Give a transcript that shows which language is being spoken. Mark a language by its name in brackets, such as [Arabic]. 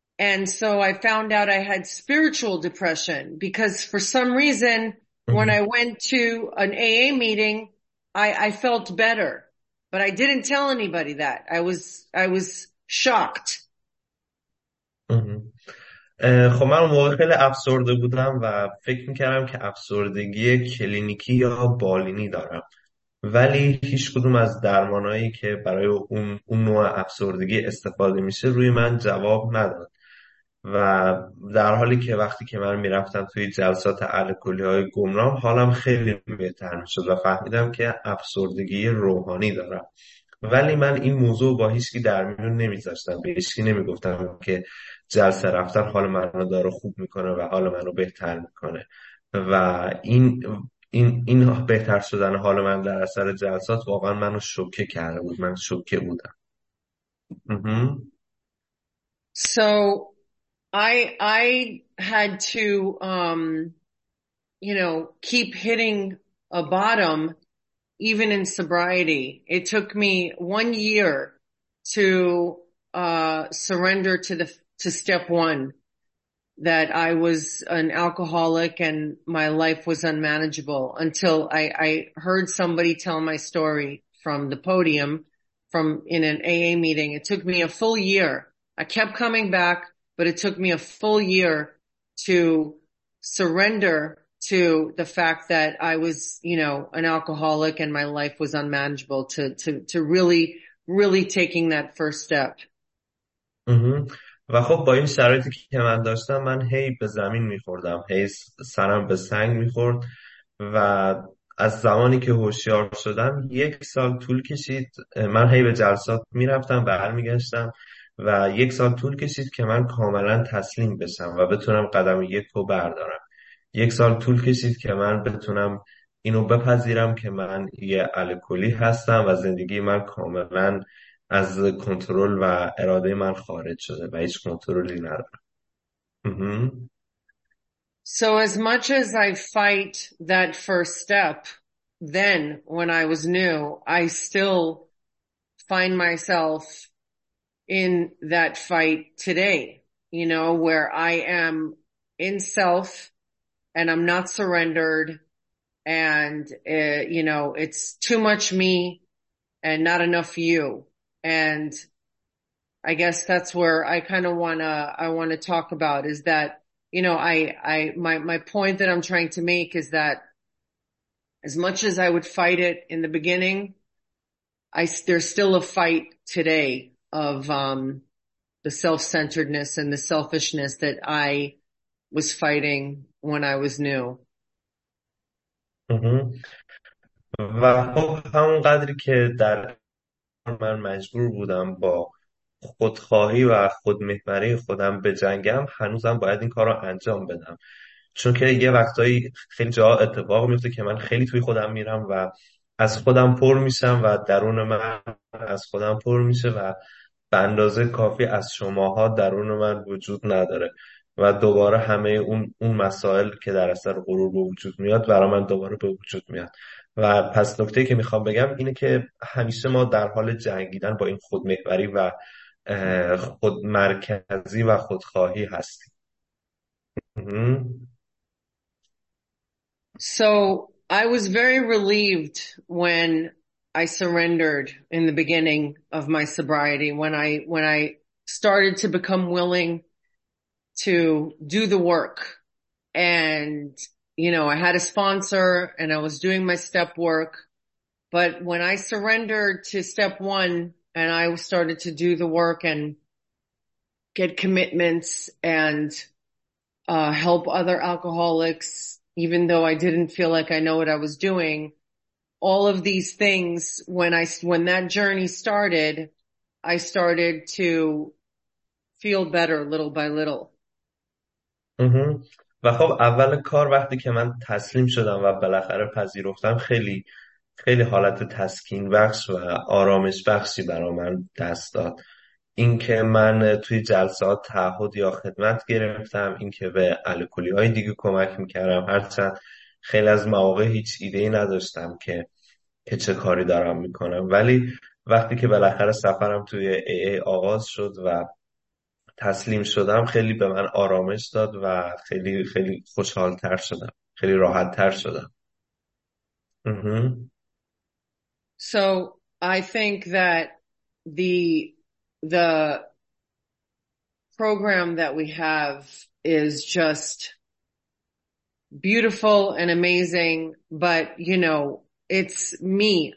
[English] And so I found out I had spiritual depression because for some reason, when I went to an AA meeting, I felt better, but I didn't tell anybody that. I was shocked. [Persian] خب من اون موقع خیلی افسرده بودم و فکر میکردم که افسردگی کلینیکی یا بالینی دارم، ولی هیچ کدوم از درمانایی که برای اون نوع افسردگی استفاده میشه روی من جواب نداد و در حالی که وقتی که من میرفتم توی جلسات الکلی های گمنام حالم خیلی بهتر میشد و فهمیدم که افسردگی روحانی دارم، ولی من این موضوع با هیچکی در میون نمیذاشتم، به هیچکی نمیگفتم که جلسه رفتن حال منو داره خوب میکنه و حال منو بهتر میکنه و این بهتر شدن حال من در اثر جلسات واقعا منو شوکه کرده بود، من شوکه بودم. [English] So I had to you know, keep hitting a bottom. Even in sobriety, it took me 1 year to surrender to step one, that I was an alcoholic and my life was unmanageable, until I heard somebody tell my story from the podium in an AA meeting. It took me a full year. I kept coming back, but it took me a full year to surrender to the fact that I was, you know, an alcoholic and my life was unmanageable, to really, really taking that first step. [Persian] و خب با این شرایطی که من داشتم من هی به زمین میخوردم، هی سرم به سنگ میخورد و از زمانی که هوشیار شدم یک سال طول کشید، من هی به جلسات میرفتم برمیگشتم و یک سال طول کشید که من کاملا تسلیم بشم و بتونم قدم یک رو بردارم. یک سال طول کشید که من بتونم اینو بپذیرم که من یه الکلی هستم و زندگی من کاملا از کنترل و اراده من خارج شده و هیچ کنترلی ندارم. [English] So as much as I fight that first step, then when I was new, I still find myself in that fight today, you know, where I am in self and I'm not surrendered and, you know, it's too much me and not enough you. And I guess that's where I kind of want to talk about is that, you know, my point that I'm trying to make is that as much as I would fight it in the beginning, there's still a fight today of, the self-centeredness and the selfishness that I was fighting when I was new. [Persian] و خب همونقدری که در من مجبور بودم با خودخواهی و خودمحوری خودم به جنگم، هنوزم باید این کار رو انجام بدم، چون که یه وقتایی خیلی جا اتفاق میفته که من خیلی توی خودم میرم و از خودم پر میشم و درون من از خودم پر میشه و به اندازه کافی از شماها درون من وجود نداره و دوباره همه اون مسائل که در اثر غرور به وجود میاد برای من دوباره به وجود میاد. و پس نکته که میخوام بگم اینه که همیشه ما در حال جنگیدن با این خودمحوری و خودمرکزی و خودخواهی هستیم. [English] So I was very relieved when I surrendered in the beginning of my sobriety, when I started to become willing to do the work. And, you know, I had a sponsor and I was doing my step work. But when I surrendered to step one and I started to do the work and get commitments and help other alcoholics, even though I didn't feel like I know what I was doing, all of these things, when that journey started, I started to feel better little by little. [Persian] و خب اول کار وقتی که من تسلیم شدم و بالاخره پذیرفتم، خیلی خیلی حالت تسکین بخش و آرامش بخشی برای من دست داد. این که من توی جلسات تعهد یا خدمت گرفتم، این که به الکلی های دیگه کمک میکردم، هرچند خیلی از مواقع هیچ ایده ای نداشتم که چه کاری دارم میکنم، ولی وقتی که بالاخره سفرم توی AA آغاز شد و تسلیم شدم، خیلی به من آرامش داد و خیلی خیلی خوشحال تر شدم، خیلی راحت تر شدم. [English] So I think that the program that we have is just beautiful and amazing, but you know, it's me.